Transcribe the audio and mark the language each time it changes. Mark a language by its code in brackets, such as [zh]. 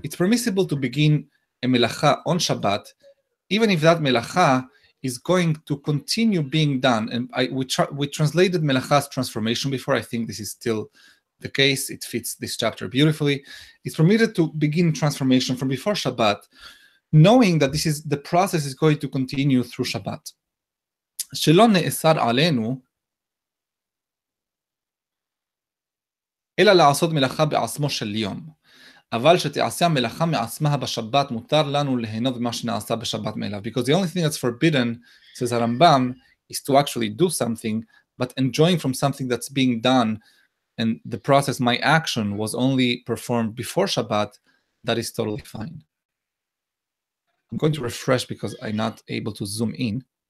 [en] It's permissible to begin a melacha on Shabbat, even if that melacha is going to continue being done. And we translated melacha's transformation before. I think this is still the case. It fits this chapter beautifully. It's permitted to begin transformation from before Shabbat, knowing that this is the process is going to continue through Shabbat. [he] שלא נאסר עלינו אלא לעשות מלאכה בעצמו של יום אבל שתעשה מלאכה מעצמה בשבת מותר לנו להנות במה שנעשה בשבת מאליו. [en] Because the only thing that's forbidden, says Rambam, is to actually do something, but enjoying from something that's being done, and the process, my action, was only performed before Shabbat, that is totally fine. I'm going to refresh because I'm not able to zoom in.